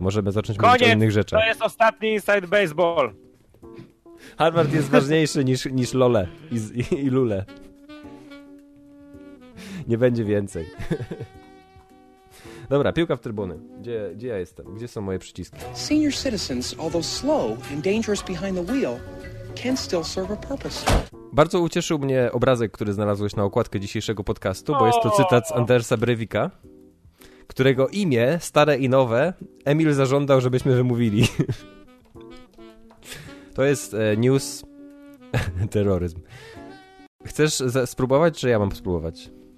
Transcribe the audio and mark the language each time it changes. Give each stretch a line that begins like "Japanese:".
Polish: Możemy zacząć mówić o innych rzeczach. Koniec! To jest ostatni Inside Baseball! Harvard jest ważniejszy niż Lole i Lule. Nie będzie więcej. Dobra, piłka w trybuny. Gdzie ja jestem? Gdzie są moje przyciski?
English: Senior citizens, although slow and dangerous behind the wheel, can still serve a purpose.
Polish: Bardzo ucieszył mnie obrazek, który znalazłeś na okładkę dzisiejszego podcastu, bo jest to cytat z Andersa Breivika, którego imię, stare i nowe, Emil zażądał, żebyśmy wymówili. To jest news... terroryzm. Chcesz spróbować, czy ja mam spróbować?